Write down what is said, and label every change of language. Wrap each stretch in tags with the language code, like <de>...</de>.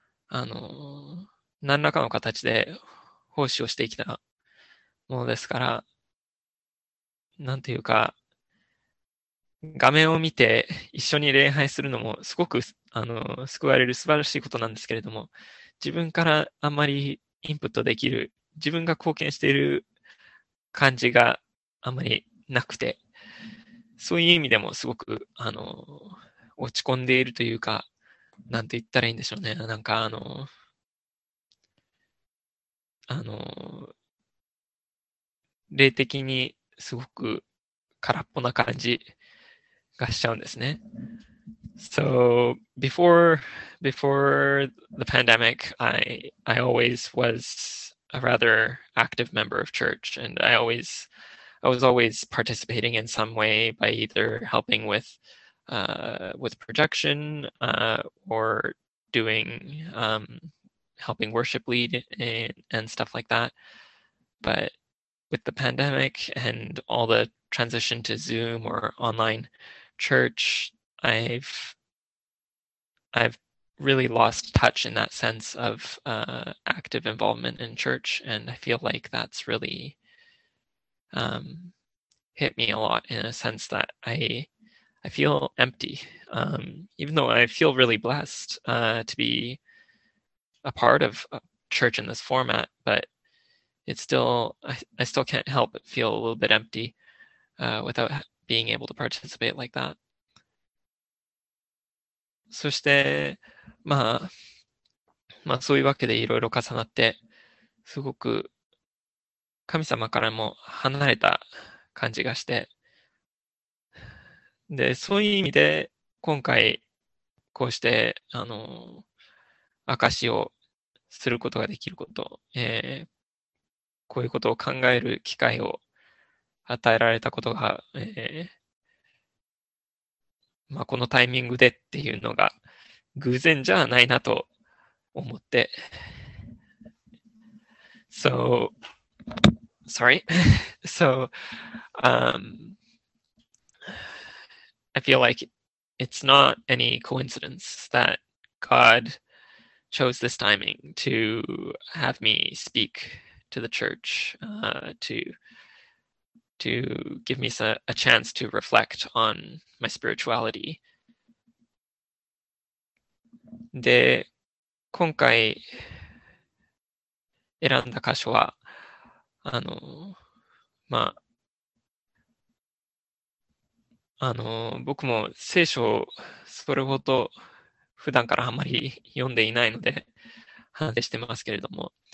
<ja>何らかの形で奉仕をしてきたものですから、なんというか、画面を見て一緒に礼拝するのもすごく、救われる素晴らしいことなんですけれども、自分からあんまりインプットできる、自分が貢献している感じがあんまりなくて、そういう意味でもすごく、落ち込んでいるというか、なんて言ったらいいんでしょうね。なんか、霊的にすごく空っぽな感じがしちゃうんですね。</ja> <en>So, before the pandemic, I always was a rather active member of church, and I was always participating in some way by either helping with projection, or doing helping worship lead and stuff like that. But with the pandemic and all the transition to Zoom or online church, I've really lost touch in that sense of active involvement in church, and I feel like that's really hit me a lot in a sense that I feel empty. Even though I feel really blessed to be a part of a church in this format, but it's still I still can't help but feel a little bit empty without being able to participate like that.</en> <ja>そして、まあそういうわけでいろいろ重なって、すごく神様からも離れた感じがして。で、そういう意味で、今回、こうして、証をすることができること、こういうことを考える機会を与えられたことが、まあ、このタイミングでっていうのが偶然じゃないなと思って。</ja> <en>So, sorry. So, I feel like it's not any coincidence that God chose this timing to have me speak to the church, to give me a chance to reflect on my spirituality.</en> <ja>で、今回選んだ箇所は、まあ、僕も聖書をそれほど普段からあまり読んでいないので話してますけれども、</ja>